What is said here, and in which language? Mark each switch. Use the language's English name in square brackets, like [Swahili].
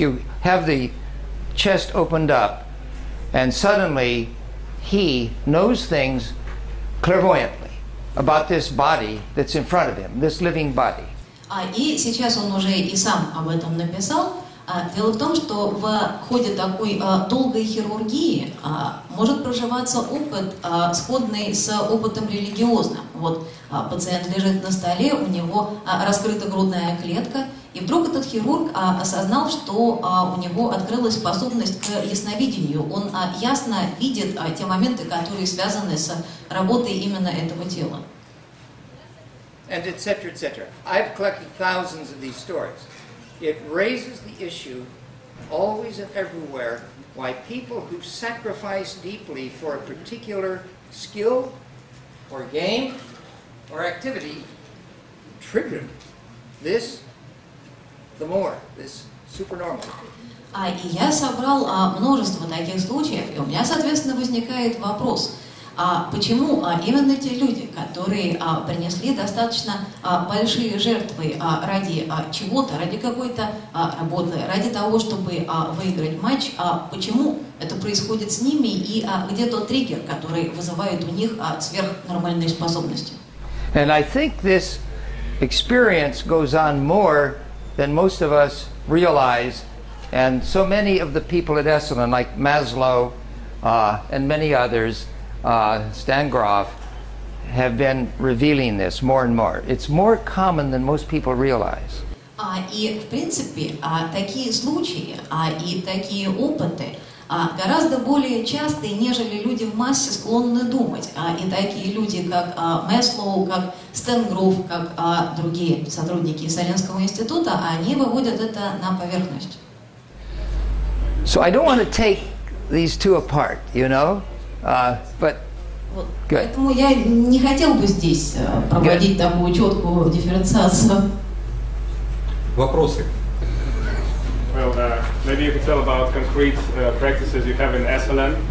[English] You have the chest opened up, and suddenly he knows things clairvoyantly about this body that's in front of him, this living body. [Russian] И сейчас он уже и сам об этом написал. Дело в том, что в ходе такой долгой хирургии может проживаться опыт, сходный с опытом религиозным. Вот пациент лежит на столе, у него раскрыта грудная клетка, и вдруг этот хирург осознал, что у него открылась способность к ясновидению. Он ясно видит те моменты, которые связаны с работой именно этого тела. [English] And et cetera, et cetera. I've collected thousands of these stories. It raises the issue, always and everywhere, why people who sacrifice deeply for a particular skill, or game, or activity, trigger this, the more, this supernormal. [Russian] И я собрал множество таких случаев, и у меня, соответственно, возникает вопрос. Почему именно те люди, которые принесли достаточно большие жертвы ради чего-то, ради какой-то работы, ради того, чтобы выиграть матч, почему это происходит с ними и где тот триггер, который вызывает у них сверхнормальные способности? [English] And I think this experience goes on more than most of us realize, and so many of the people at Esalen, like Maslow and many others, Stan Grof, have been revealing this more and more. It's more common than most people realize. [Russian] И в принципе, такие случаи, и такие опыты гораздо более частые, нежели люди в массе склонны думать. И такие люди, как Маслоу, как Стэн Гроф, как другие сотрудники Эссалинского института, они выводят это на поверхность. [English] So I don't want to take these two apart, you know? But good. [Russian] Поэтому я не хотел бы здесь проводить такую четкую дифференциацию. Вопросы? [English] Well, maybe you could tell about concrete practices you have in Esalen.